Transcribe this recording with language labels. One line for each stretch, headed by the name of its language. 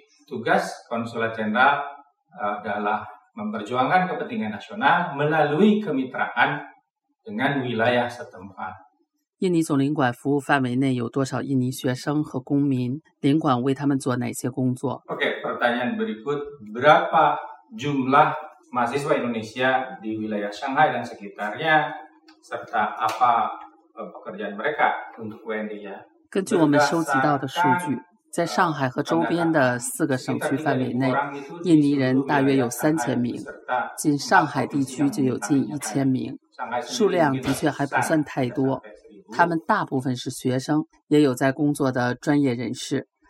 Indonesian: Tugas Konsulat Jenderal adalah memperjuangkan kepentingan nasional melalui kemitraan dengan wilayah setempat.
Chinese: 印尼总领馆服务范围内有多少印尼学生和公民？领馆为他们做哪些工作？
Indonesian: Oke, pertanyaan berikut, berapa jumlah mahasiswa Indonesia di wilayah Shanghai dan sekitarnya, serta apa pekerjaan mereka untuk WNI-nya?
Chinese: 根据我们收集到的数据，在上海和周边的四个省区范围内，印尼人大约有3000名，仅上海地区就有近1000名，数量的确还不算太多。他们大部分是学生，也有在工作的专业人士。